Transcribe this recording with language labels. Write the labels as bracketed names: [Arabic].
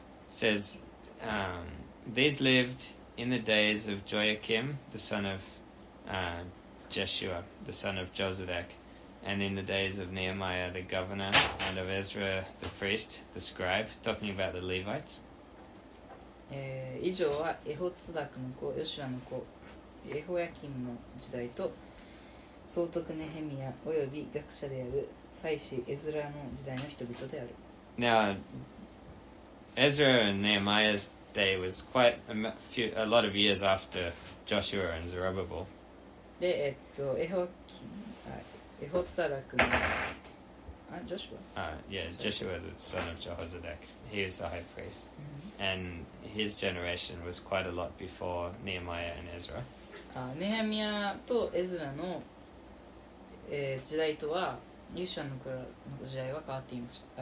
[English] Says, these lived in the days of Joachim, the son of Jeshua, the son of Josedek, and in the days of Nehemiah, the governor, and of Ezra, the priest, the scribe, talking about the Levites. [Japanese] 以上はエホツダクの子、ヨシュアの子。エホヤキンの時代と総督ネヘミヤ及び学者である祭司エズラの時代の人々である。 [English] Now, Ezra and Nehemiah's day was quite a lot of years after Joshua and Zerubbabel. [Japanese] で、エホキン、エホツァダクの、Joshua? [English] Yes, Joshua is the son of Jehozadak. He is the high priest. Mm-hmm. And his generation was quite a lot before Nehemiah and Ezra. [Japanese] ネヘミヤとエズラの、時代とはヨシュアの時代は変わっていました。